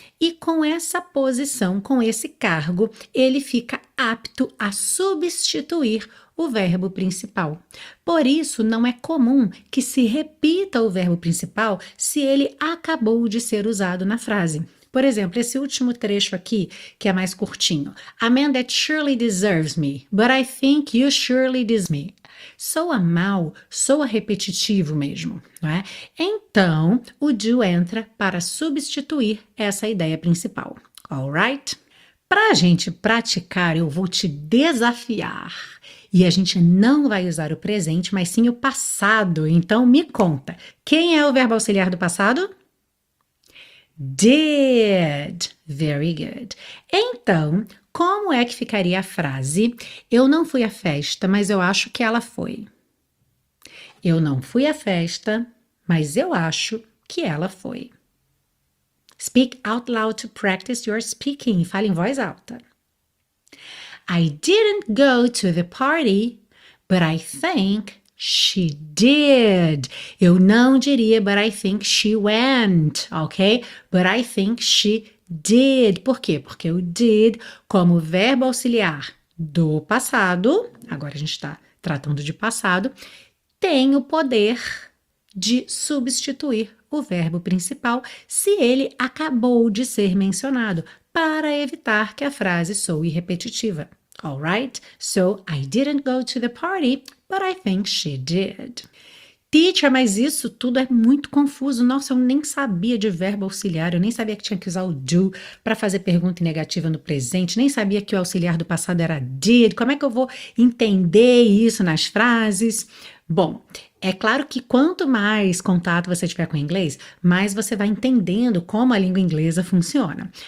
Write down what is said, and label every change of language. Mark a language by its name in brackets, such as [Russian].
[Portuguese] E com essa posição, com esse cargo, ele fica apto a substituir o verbo principal. Por isso, não é comum que se repita o verbo principal se ele acabou de ser usado na frase. Por exemplo, esse último trecho aqui, que é mais curtinho. [English] A man that surely deserves me, but I think you surely deserve me. [Portuguese] Soa mal, soa repetitivo mesmo, não é? Então, o do entra para substituir essa ideia principal. [English] All right? [Portuguese] Para a gente praticar, eu vou te desafiar. E a gente não vai usar o presente, mas sim o passado. Então, me conta, quem é o verbo auxiliar do passado? [English] Did. Very good. [Portuguese] Então, como é que ficaria a frase? Eu não fui à festa, mas eu acho que ela foi. Eu não fui à festa, mas eu acho que ela foi. [English] Speak out loud to practice your speaking. [Portuguese] Fale em voz alta. [English] I didn't go to the party, but I think she did. [Portuguese] Eu não diria, [English] but I think she went, ok? But I think she did. [Portuguese] Por quê? Porque o did, como verbo auxiliar do passado, agora a gente está tratando de passado, tem o poder de substituir o verbo principal se ele acabou de ser mencionado, para evitar que a frase soe repetitiva. [English] All right, so I didn't go to the party, but I think she did. [Portuguese] Teacher, mas isso tudo é muito confuso. Nossa, eu nem sabia de verbo auxiliar, eu nem sabia que tinha que usar o do para fazer pergunta negativa no presente, nem sabia que o auxiliar do passado era did. Como é que eu vou entender isso nas frases? Bom, é claro que quanto mais contato você tiver com o inglês, mais você vai entendendo como a língua inglesa funciona.